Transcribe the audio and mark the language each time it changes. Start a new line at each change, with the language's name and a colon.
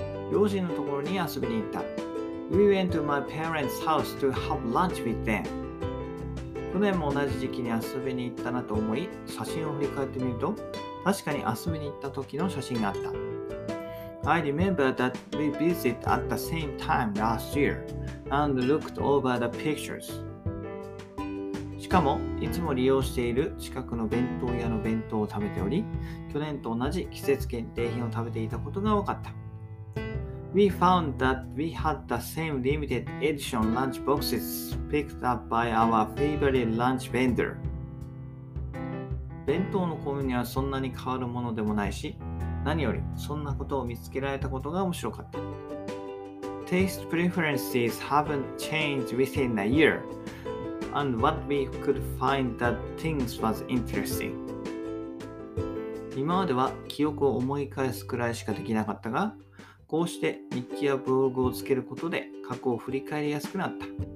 Japanese: 両親のところに遊びに行った。
English: We went to my parents' house to have lunch with them.
Japanese: 去年も同じ時期に遊びに行ったなと思い、写真を振り返ってみると、確かに遊びに行った時の写真があった。
English: I remember that we visited at the same time last year and looked over the pictures.
Japanese: しかも、いつも利用している近くの弁当屋の弁当を食べており、去年と同じ季節限定品を食べていたことが分かった。
English: We found that we had the same limited edition lunch boxes picked up by our favorite lunch vendor.
Japanese: 弁当の購入にはそんなに変わるものでもないし、何よりそんなことを見つけられたことが面白かった。
English: Taste preferences haven't changed within a year, and what we could find that things was interesting.
Japanese: 今までは記憶を思い返すくらいしかできなかったが、こうして日記やブログをつけることで過去を振り返りやすくなった。